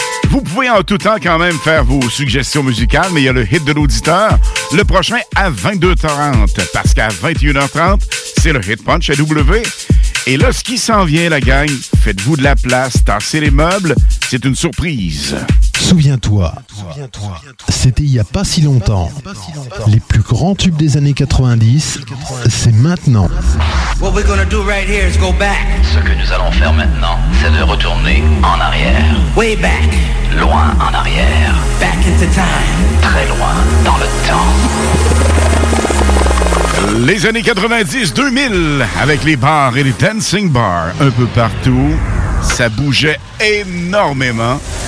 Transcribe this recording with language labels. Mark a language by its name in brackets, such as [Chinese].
[French] Vous pouvez en tout temps quand même faire vos suggestions musicales, mais il y a le hit de l'auditeur, le prochain à 22h30, parce qu'à 21h30, c'est le Hit Punch AW. Et là, ce qui s'en vient, la gang, faites-vous de la place, tassez les meubles, c'est une surprise. Souviens-toi, c'était il n'y a pas si longtemps. Les plus grands tubes des années 90, c'est maintenant. [English] What we're gonna do right here is go back. [French] Ce que nous allons faire maintenant, c'est de retourner en arrière. [English] Way back. [French] Loin en arrière. [English] Back into time. [French] Très loin dans le temps. Les années 90-2000, avec les bars et les dancing bars un peu partout, ça bougeait énormément.